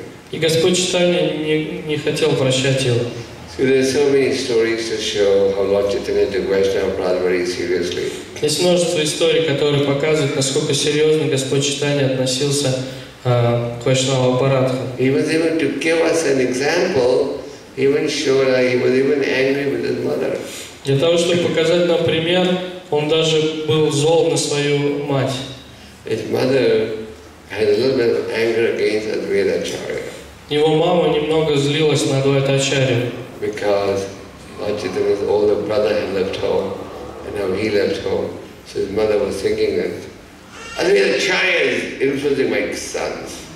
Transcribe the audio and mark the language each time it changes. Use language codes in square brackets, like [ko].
[ru] И Господь Читания не хотел прощать его. [en] So there are so many stories to show how Lord Chaitanya took Vaishnava Prasad very seriously. [ru] Есть множество историй, которые показывают, насколько серьезно Господь Читания относился к Вайшнава Парадху. [en] He was able to give us an example, even show that he was even angry with his mother. [ru] Для того, чтобы показать нам пример, он даже был зол на свою мать. [en] His mother had a little bit of anger against Advaita Acharya. [ru] Его мама немного злилась на Адвайта Ачарью. [en] Because Lord Chaitanya's older brother had left home, and now he left home, so his mother was thinking that Advaita Acharya is influencing my sons.